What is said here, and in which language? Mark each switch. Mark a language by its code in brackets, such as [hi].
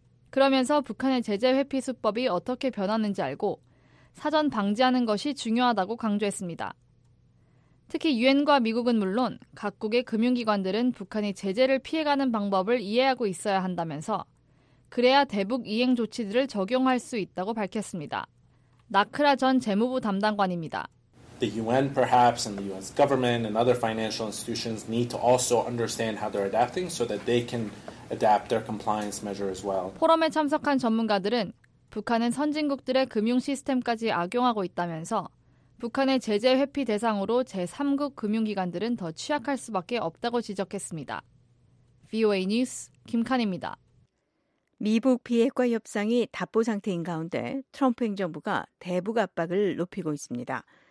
[ko] 그러면서 북한의 제재 회피 수법이 어떻게 변하는지 알고 사전 방지하는 것이 중요하다고 강조했습니다. 특히 유엔과 미국은 물론 각국의 금융기관들은 북한이 제재를 피해가는 방법을 이해하고 있어야 한다면서 그래야 대북 이행 조치들을 적용할 수 있다고 밝혔습니다. 나크라 전 재무부 담당관입니다. [en] the UN perhaps and the US government and other financial institutions need to also understand how they're adapting so that they can adapt their compliance measure as well. [ko] 포럼에 참석한 전문가들은 북한은 선진국들의 금융 시스템까지 악용하고 있다면서 북한의 제재 회피 대상으로 제3국 금융기관들은 더 취약할 수밖에 없다고 지적했습니다. VOA 뉴스 김칸입니다. 미북 비핵화 협상이 답보 상태인 가운데 트럼프 행정부가 대북 압박을 높이고 있습니다.